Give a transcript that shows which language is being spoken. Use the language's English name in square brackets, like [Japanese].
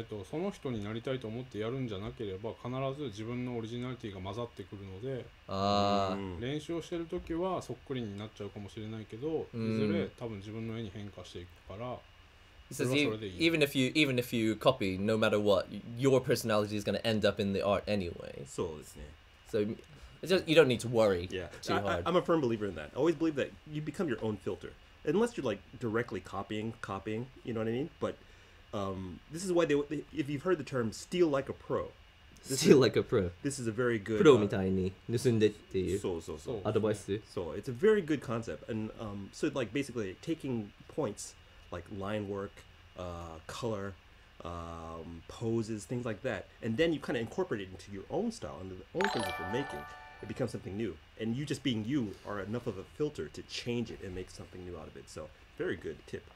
[Japanese] その人になりたいと思ってやるんじゃなければ必ず自分のオリジナリティが混ざってくるので、練習をしてるときはそっくりになっちゃうかもしれないけど、いずれ多分自分の絵に変化していくから、それはそれでいい。 [English] Even if you copy, no matter what, your personality is going to end up in the art anyway. [Japanese] そうですね。 [English] So It's just, you don't need to worry too hard. I'm a firm believer in that. I always believe that you become your own filter. Unless you're like directly copying, you know what I mean? But this is why if you've heard the term steal like a pro. Steal like a pro. This is a very good... [Japanese] プロみたいに盗んでっていうアドバイス。そう。 [English] It's a very good concept. And so like basically taking points like line work, color, poses, things like that. And then you kind of incorporate it into your own style and the own things that you're making. It becomes something new. And you just being you are enough of a filter to change it and make something new out of it. So very good tip.